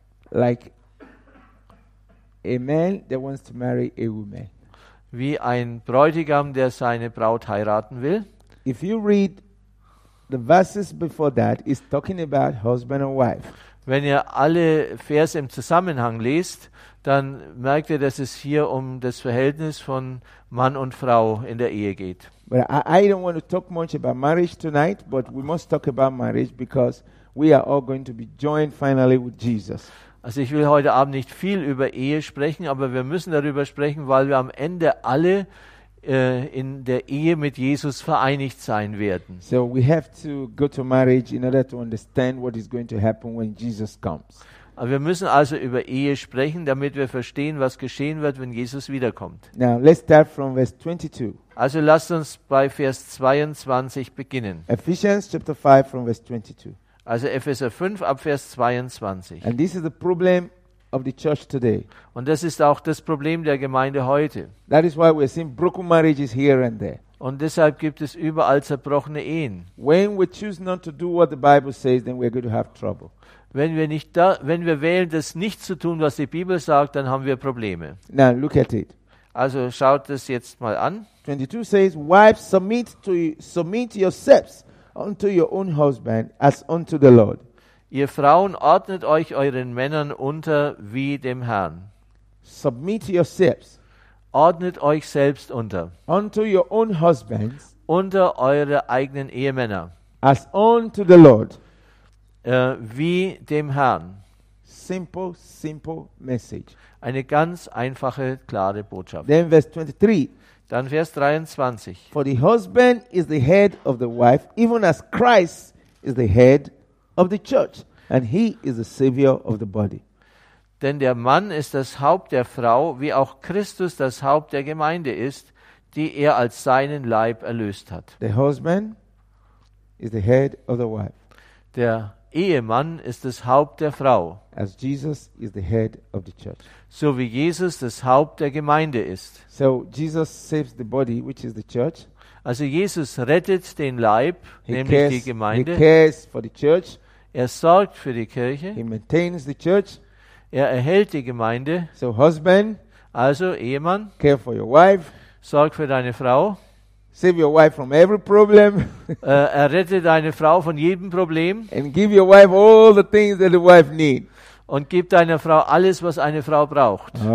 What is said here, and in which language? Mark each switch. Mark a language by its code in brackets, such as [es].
[en] like a man that wants to marry a woman, [de] wie ein Bräutigam, der seine Braut heiraten will. [en] If you read the verses before that, it's talking about husband and wife. [de] Wenn ihr alle Verse im Zusammenhang liest, dann merkt ihr, dass es hier um das Verhältnis von Mann und Frau in der Ehe geht. [en] But I don't want to talk much about marriage tonight, but we must talk about marriage because we are all going to be joined finally with Jesus. [de] Also ich will heute Abend nicht viel über Ehe sprechen, aber wir müssen darüber sprechen, weil wir am Ende alle in der Ehe mit Jesus vereinigt sein werden. [en] So we have to go to marriage in order to understand what is going to happen when Jesus comes. [de] Aber wir müssen also über Ehe sprechen, damit wir verstehen, was geschehen wird, wenn Jesus wiederkommt. [en] Now let's start from verse 22. [de] Also lasst uns bei Vers 22 beginnen. [en] Ephesians chapter 5 from verse 22. [de] Also Epheser 5 ab Vers 22. [en] And this is the problem of the church today. [de] Und das ist auch das Problem der Gemeinde heute. [en] That is why we're seeing broken marriages here and there. [de] Und deshalb gibt es überall zerbrochene Ehen. [en] When we choose not to do what the Bible says, then we're going to have trouble. [de] Wenn wir wählen, das nicht zu tun, was die Bibel sagt, dann haben wir Probleme. [en] Now look at it. [de] Also schaut es jetzt mal an. [en] 22 says, wives, submit yourselves unto your own husband as unto the Lord. [de] Ihr Frauen, ordnet euch euren Männern unter wie dem Herrn. [en] Submit yourselves. [de] Ordnet euch selbst unter. [en] Unto your own husbands. [de] Unter eure eigenen Ehemänner. [en] As unto the Lord. [de] Wie dem Herrn. [en] Simple, simple message. [de] Eine ganz einfache, klare Botschaft. [en] Then verse 23. [de] Dann Vers 23. [en] For the husband is the head of the wife, even as Christ is the head of the church, and he is the savior of the body. [de] Denn der Mann ist das Haupt der Frau, wie auch Christus das Haupt der Gemeinde ist, die er als seinen Leib erlöst hat. [en] The husband is the head of the wife. [de] Der Ehemann ist das Haupt der Frau. [en] As Jesus is the head of the church. [de] So wie Jesus das Haupt der Gemeinde ist. [en] So Jesus saves the body, which is the church. [de] Also Jesus rettet den Leib, nämlich die Gemeinde. [en] He cares for the church. [de] Er sorgt für die Kirche. [en] He maintains the church. [de] Er erhält die Gemeinde. [en] So husband, [de] also Ehemann, [en] care for your wife. [de] Sorg für deine Frau. [en] Save your wife from every problem. [de] Errette deine Frau von jedem Problem. [en] And give your wife all the things that the wife needs. [de] Und gib deiner Frau alles, was eine Frau braucht.